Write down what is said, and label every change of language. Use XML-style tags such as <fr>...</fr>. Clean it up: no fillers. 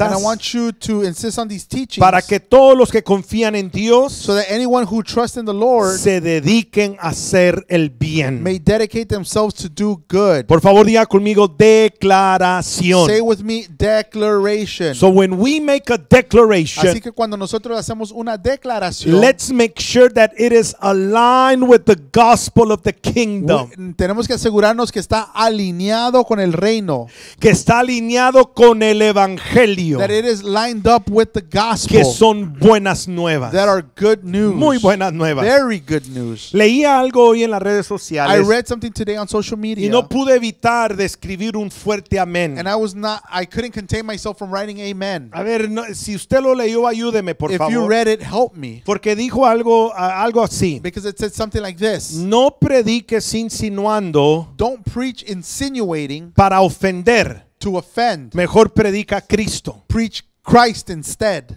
<en>And I want you to insist on these teachings.</en> <es>Para que todos los que confían en Dios.</es> <en>So that anyone who trusts in the Lord,</en> <es>se dediquen a hacer el bien,</es> <en>may dedicate themselves to do good.</en> <es>Por favor, diga conmigo declaración.</es> <en>Say with me declaration. So when we make a declaration,</en> <es>así que cuando nosotros hacemos una declaración,</es> <en>let's make sure that it is aligned with the gospel of the kingdom.</en> <es>Tenemos que asegurarnos que está alineado con el reino, que está alineado con el evangelio,</es> <en>that it is lined up with the gospel,</en> <es>que son buenas nuevas,</es> <en>that are good news.</en> <es>Muy buenas nuevas.</es> <en>Very good news.</en> <es>Leía algo hoy en las redes sociales.</es> <en>I read something today on social media.</en> <es>Y no pude evitar de escribir un fuerte amén.</es> <en>And I couldn't contain myself from writing amen.</en> <es>A ver, no, si usted lo leyó, ayúdeme, por</es> <en>if</en> <es>favor.</es> <en>If you read it, help me.</en> <es>Porque dijo algo así.</es> <en>Because it said something like this.</en> <es>No prediques insinuando.</es> <en>Don't preach insinuating.</en> <es>Para ofender.</es> <en>To offend.</en> <es>Mejor predica a Cristo.</es> <en>Preach Christ instead.</en>